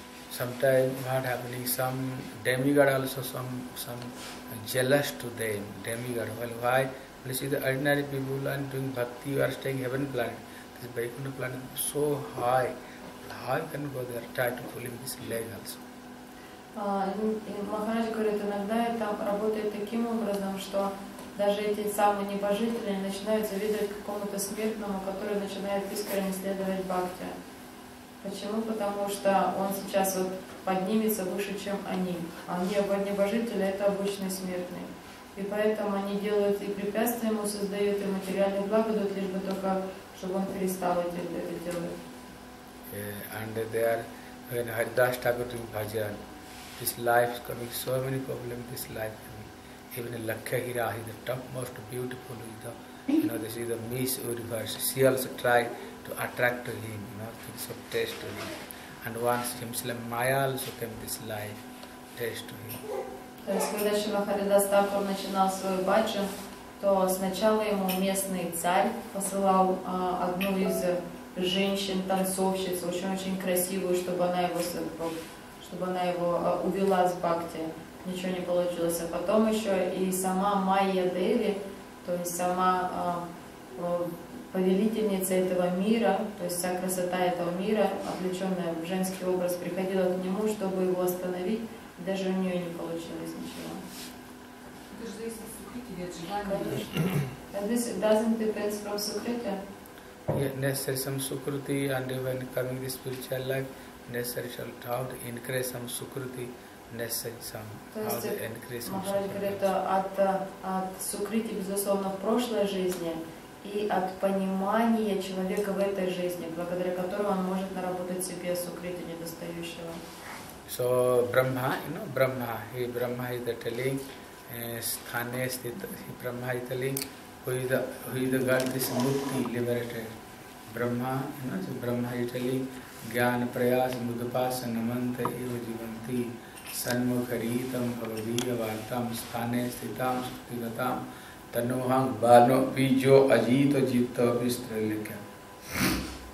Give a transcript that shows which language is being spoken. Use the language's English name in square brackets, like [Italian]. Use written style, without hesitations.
[English] Sometimes what happening? Some demigod also some jealous to them. Demigod, well, why? Well, you see the ordinary people and doing bhakti, you are staying heaven planet. This Vaikuntha planet is so high, how can go there, try to pull him this leg also. [Russian] Махараджа говорит, иногда это работает таким образом, что даже эти самые небожители начинают завидовать какому-то смертному, который начинает искренне следовать бхакти. Почему? Потому что он сейчас вот поднимется выше, чем они. А небожители — это обычные смертные. И поэтому они делают и препятствия ему создают, и материальные блага дают, лишь бы только чтобы он перестал это делать. [English] And they are when Haridas Thakur doing bhajan, this life is coming so many problems. This life coming, even a Lakhagira, he the topmost beautiful, this is the Miss Universe. She also try to attract to him, things of taste to him. And once himself Maya also came this life, taste to him. [Russian] То есть когда Шрила Харидас Тхакур начинал свой бхаджан, то сначала ему местный царь посылал одну из женщин-танцовщиц, очень-очень красивую, чтобы она его увела с бхакти. Ничего не получилось. А потом еще и сама Майя Деви То есть сама повелительница этого мира, то есть вся красота этого мира, облеченная в женский образ, приходила к нему, чтобы его остановить. Даже у нее не получилось ничего. [English] Necessary some sukruti, and when coming to spiritual life, necessary some how to increase some sukruti, necessary some how to increase some sukruti. [Russian] Махараджа говорит, это от сукрити, безусловно, в прошлой жизни и от понимания человека в этой жизни, благодаря которому он может наработать себе сукрити недостающего. [English] So Brahma, you know, Brahma, he Brahma is the telling. [Sanskrit] Sthane sthita, [English] he Brahma is telling, who is the God, this Mukti, liberated. Brahma, you know, so Brahma is telling, [Sanskrit] Jnana Prayas Mudupasa Namanta Iva Jivanti, Sanmukharitam Bhavadiya Vartam Sthane Sthitam Sthitam Tanuhang Bano Pijo Ajita Jitta Vistralikya.